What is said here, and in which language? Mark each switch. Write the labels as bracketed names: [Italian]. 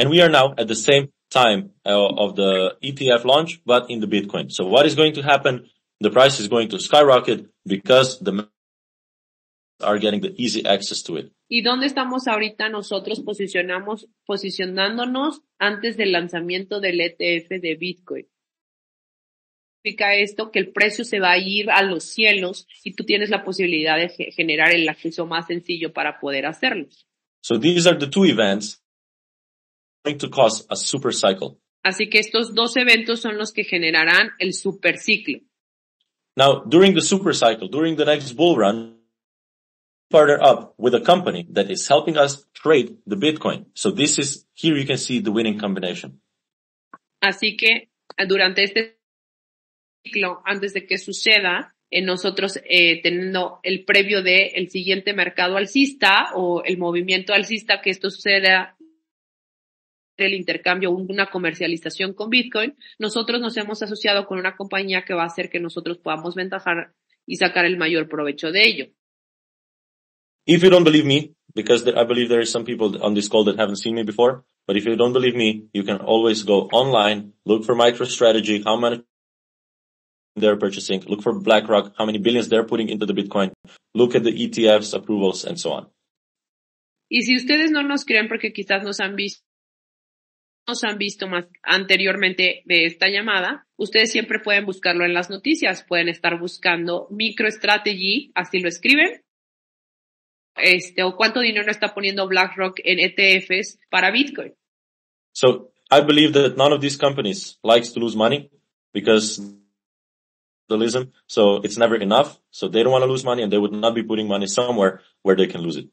[English] And we are now at the same time of the ETF launch, but in the Bitcoin. So what is going to happen? The price is going to skyrocket because the are getting the easy access to it. [Spanish] ¿Y dónde estamos ahorita nosotros posicionándonos antes del lanzamiento del ETF de Bitcoin? Significa esto que el precio se va a ir a los cielos y tú tienes la posibilidad de generar el acceso más sencillo para poder hacerlo. [English] So these are the two events going to cause a super cycle. [Spanish] Así que estos dos eventos son los que generarán el super ciclo. [English] Now, during the super cycle, during the next bull run, partner up with a company that is helping us trade the Bitcoin. So this is, here you can see the winning combination. [Spanish] Así que durante este ciclo, antes de que suceda, nosotros teniendo el previo de el siguiente mercado alcista o el movimiento alcista que esto suceda, el intercambio, una comercialización con Bitcoin, nosotros nos hemos asociado con una compañía que va a hacer que nosotros podamos ventajar y sacar el mayor provecho de ello. [English] If you don't believe me, because I believe there are some people on this call that haven't seen me before, but if you don't believe me, you can always go online, look for MicroStrategy, how many they're purchasing, look for BlackRock, how many billions they're putting into the Bitcoin, look at the ETFs, approvals, and so on. [Spanish] Y si ustedes no nos creen, porque quizás nos han visto más anteriormente de esta llamada, ustedes siempre pueden buscarlo en las noticias, pueden estar buscando MicroStrategy, así lo escriben. O cuánto dinero está poniendo BlackRock en ETFs para Bitcoin. [English] So, I believe that none of these companies likes to lose money because they listen. So, it's never enough. So, they don't want to lose money and they would not be putting money somewhere where they can lose it.